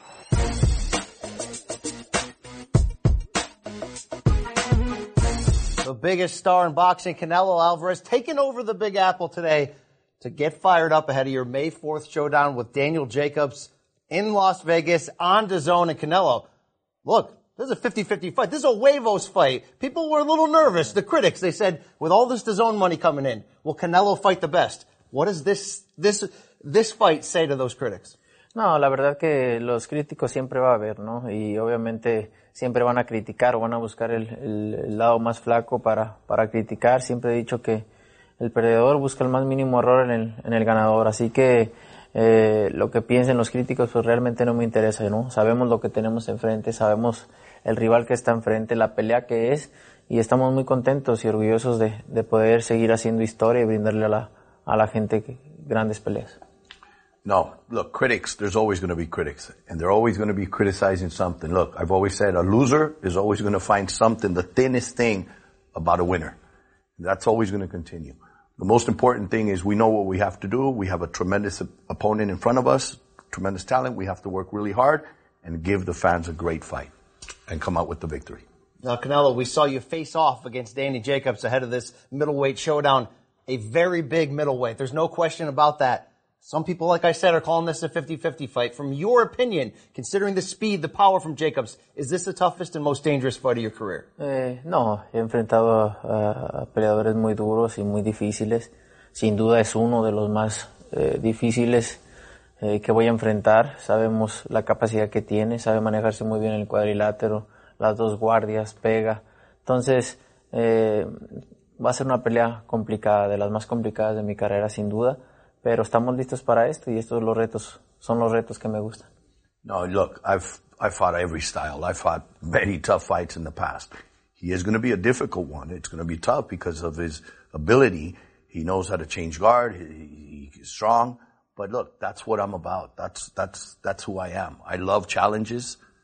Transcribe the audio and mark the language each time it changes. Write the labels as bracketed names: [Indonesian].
[English] The biggest star in boxing, Canelo Alvarez, taking over the Big Apple today to get fired up ahead of your May 4th showdown with Daniel Jacobs in Las Vegas on DAZN. And Canelo, look, this is a 50-50 fight. This is a huevos fight. People were a little nervous. The critics, they said, with all this DAZN money coming in, will Canelo fight the best? What does this fight say to those critics? [Spanish] No, la verdad que los críticos siempre va a haber, ¿no? Y obviamente siempre van a criticar, van a buscar el lado más flaco para criticar. Siempre he dicho que el perdedor busca el más mínimo error en el ganador. Así que lo que piensen los críticos, pues realmente no me interesa, ¿no? Sabemos lo que tenemos enfrente, sabemos el rival que está enfrente, la pelea que es, y estamos muy contentos y orgullosos de poder seguir haciendo historia y brindarle a la gente grandes peleas. [English] No, look, critics, there's always going to be critics, and they're always going to be criticizing something. Look, I've always said a loser is always going to find something, the thinnest thing about a winner. That's always going to continue. The most important thing is we know what we have to do. We have a tremendous opponent in front of us, tremendous talent. We have to work really hard and give the fans a great fight and come out with the victory. Now, Canelo, we saw you face off against Danny Jacobs ahead of this middleweight showdown, a very big middleweight. There's no question about that. Some people, like I said, are calling this a 50-50 fight. From your opinion, considering the speed, the power from Jacobs, is this the toughest and most dangerous fight of your career? [Spanish] No, he enfrentado a peleadores muy duros y muy difíciles. Sin duda es uno de los más difíciles que voy a enfrentar. Sabemos la capacidad que tiene, sabe manejarse muy bien el cuadrilátero, las dos guardias, pega. Entonces, va a ser una pelea complicada, de las más complicadas de mi carrera, sin duda. Pero estamos listos para esto y estos son los retos que me gustan. [English] No, look, I've fought every style. I fought many tough fights in the past. He is going to be a difficult one. It's going to be tough because of his ability. He knows how to change guard. He's strong. But look, that's what I'm about. That's who I am. I love challenges.